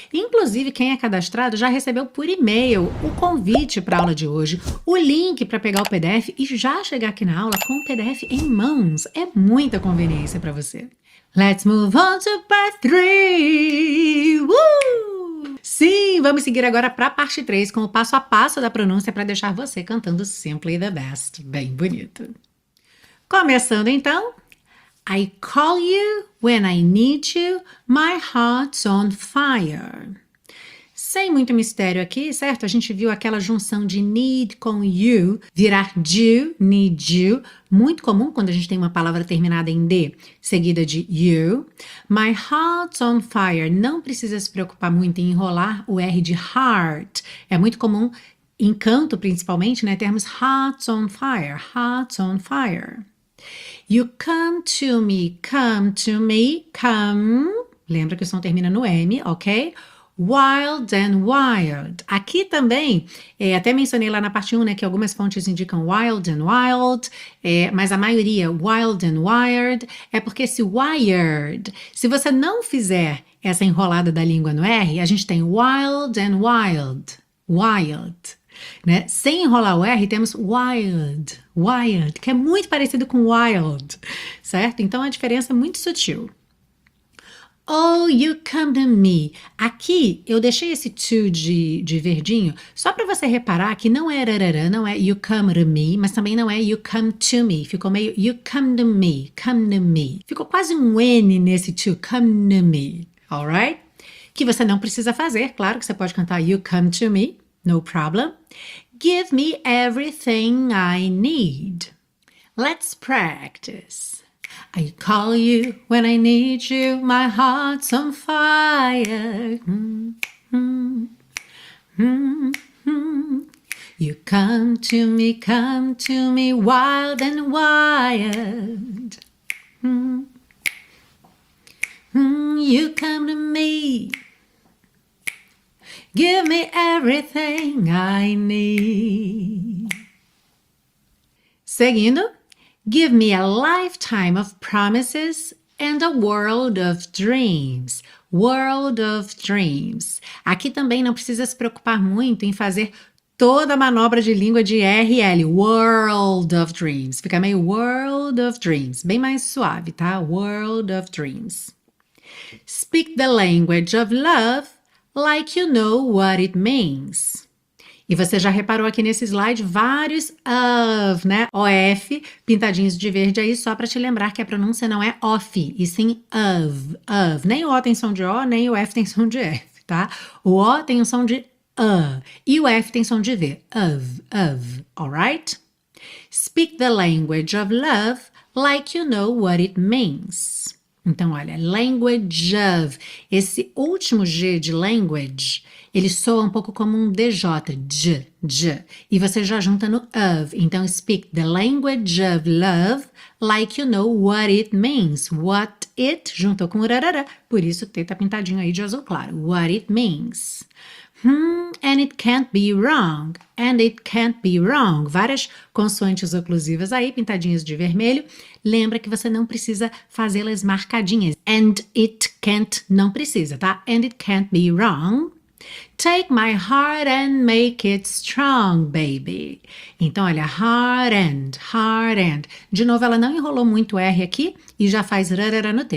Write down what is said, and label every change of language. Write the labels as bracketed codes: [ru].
[pt] Inclusive, quem é cadastrado já recebeu por e-mail o convite para a aula de hoje, o link para pegar o PDF e já chegar aqui na aula com o PDF em mãos. É muita conveniência para você. [en] Let's move on to part 3! [pt] Sim, vamos seguir agora para a parte 3 com o passo a passo da pronúncia para deixar você cantando Simply the Best. Bem bonito. Começando então. [en] I call you when I need you, my heart's on fire. [pt] Sem muito mistério aqui, certo? A gente viu aquela junção de need com you virar do, need you. Muito comum quando a gente tem uma palavra terminada em D, seguida de you. [en] My heart's on fire. [pt] Não precisa se preocupar muito em enrolar o R de heart. É muito comum em canto, principalmente, né? [en] Termos heart's on fire, heart's on fire. You come to me, come to me, come. [pt] Lembra que o som termina no M, ok? [en] Wild and wild. [pt] Aqui também, até mencionei lá na parte 1, né, que algumas fontes indicam wild and wild, mas a maioria wild and wired, é porque esse wired, se você não fizer essa enrolada da língua no R, a gente tem wild and wild, wild. Né? Sem enrolar o R, temos wild, wild, que é muito parecido com wild, certo? Então, a diferença é muito sutil. [en] Oh, you come to me. [pt] Aqui, eu deixei esse to de verdinho, só para você reparar que não é rarara, não é [en] you come to me, [pt] mas também não é you come to me. Ficou meio [en] you come to me, come to me. [pt] Ficou quase um N nesse [en] to, come to me. Alright? [pt] Que você não precisa fazer, claro que você pode cantar [en] you come to me, no problem. Give me everything I need. Let's practice. I call you when I need you, my heart's on fire. You come to me, wild and wired. You come to me, give me everything I need. Seguindo. Give me a lifetime of promises and a world of dreams. World of dreams. [pt] Aqui também não precisa se preocupar muito em fazer toda a manobra de língua de R e L. [en] World of dreams. [pt] Fica meio [en] world of dreams. [pt] Bem mais suave, tá? [en] World of dreams. Speak the language of love like you know what it means. [pt] E você já reparou aqui nesse slide vários of, né? OF, pintadinhos de verde aí, só para te lembrar que a pronúncia não é off, e sim of, of. Nem o O tem som de O, nem o F tem som de F, tá? O O tem o som de A, e o F tem som de V, of, of, alright? [en] Speak the language of love like you know what it means. [pt] Então, olha, language of, esse último G de language, ele soa um pouco como um DJ, j, j, e você já junta no of, então [en] speak the language of love like you know what it means, [pt] what it, juntou com rarara, por isso T tá pintadinho aí de azul claro, what it means. [en] And it can't be wrong, and it can't be wrong. [pt] Várias consoantes oclusivas aí, pintadinhas de vermelho. Lembra que você não precisa fazê-las marcadinhas. [en] And it can't, [pt] não precisa, tá? [en] And it can't be wrong. Take my heart and make it strong, baby. [pt] Então, olha, [en] heart and, heart and. [pt] De novo, ela não enrolou muito R aqui e já faz rarara no T.